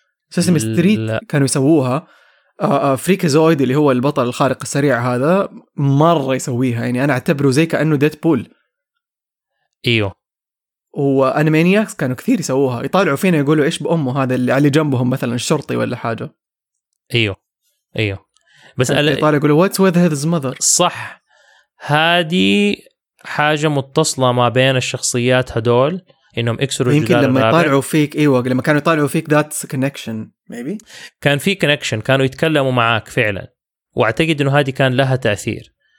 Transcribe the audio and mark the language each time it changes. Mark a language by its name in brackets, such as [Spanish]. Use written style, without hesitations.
[Arabic] ساسمي ستريت كانوا يسووها. فريكازويد اللي هو البطل الخارق السريع هذا مرة يسويها يعني انا اعتبره زي كأنه ديدبول. ايوه. وأنيمانياكس كانوا كثير يسووها يطالعوا فينا يقولوا إيش بأمه هذا اللي علي جنبهم مثلا الشرطي ولا حاجة. أيوه بس يطالع يقولوا [English] What's with his mother. [Arabic] صح هذه حاجة متصلة ما بين الشخصيات هدول إنهم إكسروا جدار يمكن لما يطالعوا فيك. أيوه لما كانوا يطالعوا فيك [English] that's a connection maybe. [Arabic] كان في connection كانوا يتكلموا معاك فعلا وأعتقد إنه هذه كان لها تأثير.